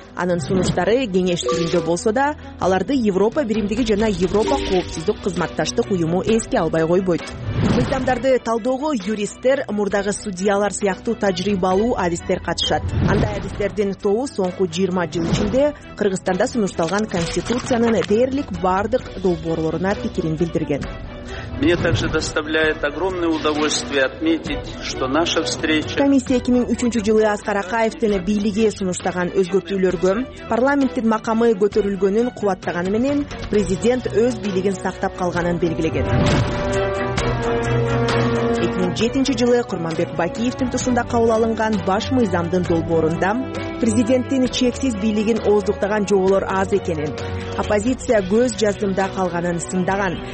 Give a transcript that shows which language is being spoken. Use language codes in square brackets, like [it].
[ky] Анын сунуштары кеңеш түрүндө болсо да, аларды Европа биримдиги жана Европа коопсуздук кызматташтык уюму эске албай койбойт. Мыйзамдарды талдоого юристтер, мурдагы судьялар сыяктуу тажрыйбалуу адистер катышат. Андай адистердин тобу соңку 20 жыл ичинде Кыргызстанда сунушталган конституциянын дээрлик бардык долбоорлоруна пикирин билдирген. [ru] Мне также доставляет огромное удовольствие отметить, что наша встреча. [ky] Комиссия 2003 жылы Аскар Акаевдин бийлиги сунуштаган өзгөртүүлөргө, парламенттин макамы көтөрүлгөнүн кубаттаганы менен президент өз бийлигин сактап калганын белгилеген. 2007 жылы Курманбек Бакиевдин тушунда кабыл алынган баш мыйзамдын долбоорунда президенттин чексиз бийлигин ооздуктаган жоголор аз экенин, оппозиция көз жаздымда калганын сындаган.